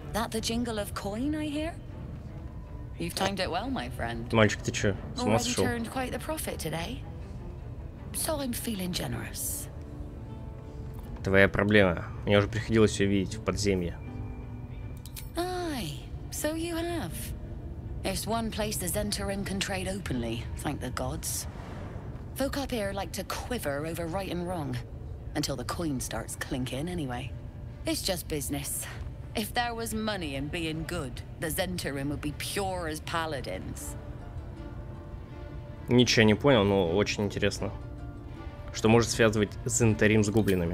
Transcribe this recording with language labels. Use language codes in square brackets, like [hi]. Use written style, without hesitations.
[en] The jingle of coin I hear? You've timed it well, my friend. [ru] Мальчик, ты чё? [en] Already turned quite the profit today. So I'm feeling generous. [ru] Твоя проблема. Мне уже приходилось её видеть в подземье. [en] Aye, so you have. It's one place the Zentarim can trade openly, thank the gods. Folk up here like to quiver over right and wrong. Until the coin starts clinking anyway. It's just business. If there was money in being good, the Zentarim would be pure as paladins. [ru] Ничего не понял, но очень интересно. Что может связывать Зентарим с гоблинами?